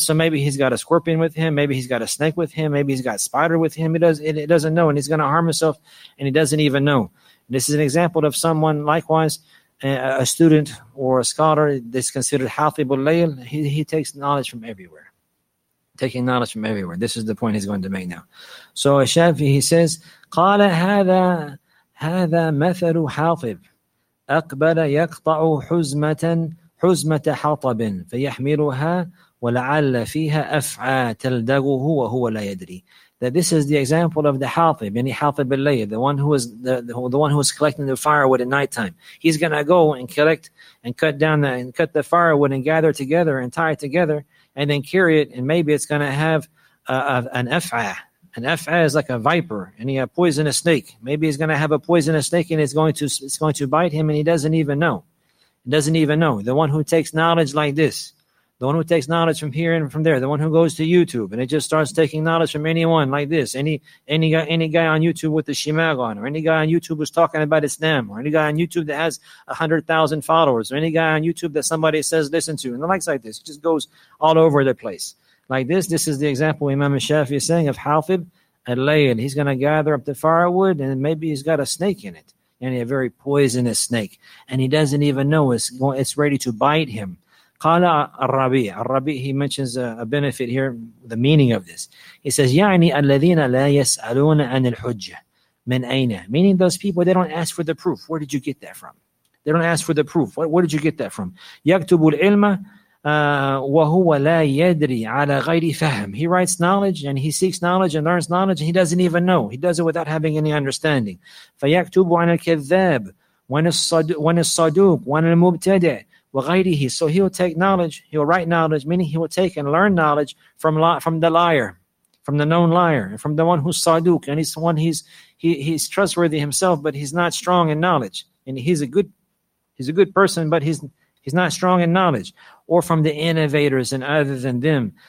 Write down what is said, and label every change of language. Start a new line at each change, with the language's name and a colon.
English: So maybe he's got a scorpion with him, maybe he's got a snake with him, maybe he's got a spider with him. He doesn't know, and he's going to harm himself and he doesn't even know. And this is an example of someone likewise, a student or a scholar that's considered Hafibul Layl. He takes knowledge from everywhere. Taking knowledge from everywhere. This is the point he's going to make now. So Ash-Shafi, he says,
Arabic: قَالَ هَذَا مَثَلُ حَافِبْ أَقْبَلَ يَقْطَعُ حُزْمَةَ حَطَبٍ فَيَحْمِلُهَا وَلَعَلَّ فِيهَا أَفْعَى تَلْدَغُهُ وَهُوَ لَا يَدْرِي.
English: That this is the example of the Hafib, any Hafib al-Layl, the one who is collecting the firewood at nighttime. He's going to go and collect and cut the firewood and gather together and tie it together and then carry it, and maybe it's going to have an af'a. An af'a is like a viper, and a poisonous snake. Maybe he's going to have a poisonous snake, and it's going to bite him, and he doesn't even know. He doesn't even know. The one who takes knowledge like this, the one who takes knowledge from here and from there, the one who goes to YouTube, and it just starts taking knowledge from anyone like this, any guy on YouTube with the shemagh on, or any guy on YouTube who's talking about Islam, or any guy on YouTube that has 100,000 followers, or any guy on YouTube that somebody says listen to, and the likes like this. It just goes all over the place. Like this is the example Imam Shafi is saying of Hafib al-Layl. He's going to gather up the firewood, and maybe he's got a snake in it, and a very poisonous snake, and he doesn't even know it's ready to bite him. Qala al-Rabi. Al-Rabi, he mentions a benefit here, the meaning of this. He says,
Arabic: يعني الذين لا يسألون عن الحجة من أين.
English: Meaning those people, they don't ask for the proof. Where did you get that from? They don't ask for the proof. Where did you get that from?
Arabic: يكتبوا العلم وهو لا يدري على غير فهم.
English: He writes knowledge and he seeks knowledge and learns knowledge and he doesn't even know. He does it without having any understanding.
Arabic: فيكتبوا عن الكذاب وعن الصدوق وعن المبتدع.
English: So he'll take knowledge, he'll write knowledge, meaning he will take and learn knowledge from the liar, from the known liar, and from the one who's saduk, and he's the one he's trustworthy himself, but he's not strong in knowledge. And he's a good person, but he's not strong in knowledge, or from the innovators and other than them.